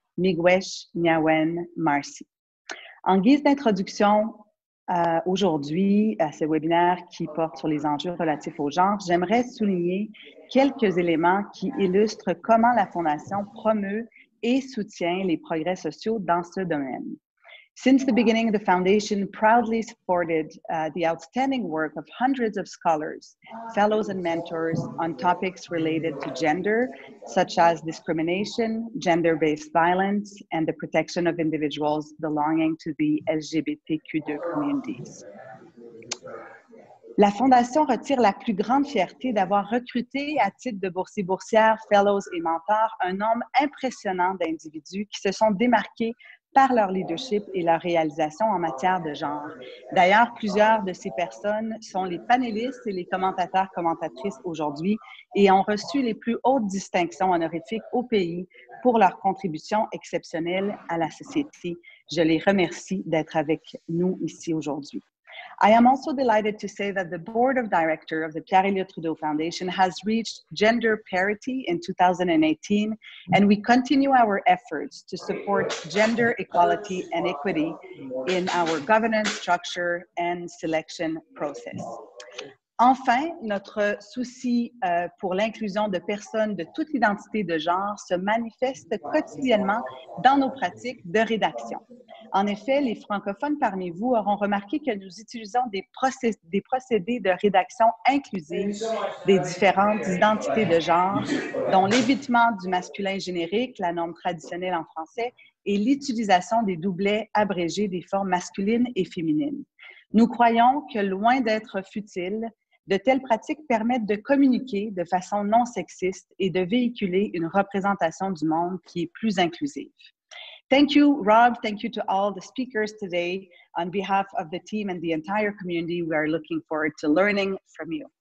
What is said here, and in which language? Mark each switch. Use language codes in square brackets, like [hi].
[fr] Miigwech, Niawen, Marcy. En guise d'introduction, aujourd'hui, à ce webinaire qui porte sur les enjeux relatifs au genre, j'aimerais souligner quelques éléments qui illustrent comment la Fondation promeut et soutient les progrès sociaux dans ce domaine. [en] Since the beginning, the Foundation proudly supported the outstanding work of hundreds of scholars, fellows and mentors on topics related to gender, such as discrimination, gender-based violence, and the protection of individuals belonging to the LGBTQ2 communities. [fr] La Fondation retire la plus grande fierté d'avoir recruté à titre de boursiers, boursières, fellows et mentors un nombre impressionnant d'individus qui se sont démarqués par leur leadership et leur réalisation en matière de genre. D'ailleurs, plusieurs de ces personnes sont les panélistes et les commentateurs, commentatrices aujourd'hui et ont reçu les plus hautes distinctions honorifiques au pays pour leur contribution exceptionnelle à la société. Je les remercie d'être avec nous ici aujourd'hui. [en] I am also delighted to say that the Board of Directors of the Pierre-Éliott Trudeau Foundation has reached gender parity in 2018, and we continue our efforts to support gender equality and equity in our governance structure and selection process. [fr] Enfin, notre souci pour l'inclusion de personnes de toute identité de genre se manifeste quotidiennement dans nos pratiques de rédaction. En effet, les francophones parmi vous auront remarqué que nous utilisons des procédés de rédaction inclusive des différentes identités de genre, dont l'évitement du masculin générique, la norme traditionnelle en français, et l'utilisation des doublets abrégés des formes masculines et féminines. Nous croyons que, loin d'être futile, de telles pratiques permettent de communiquer de façon non sexiste et de véhiculer une représentation du monde qui est plus inclusive. [en] Thank you, Rob. Thank you to all the speakers today. On behalf of the team and the entire community, we are looking forward to learning from you.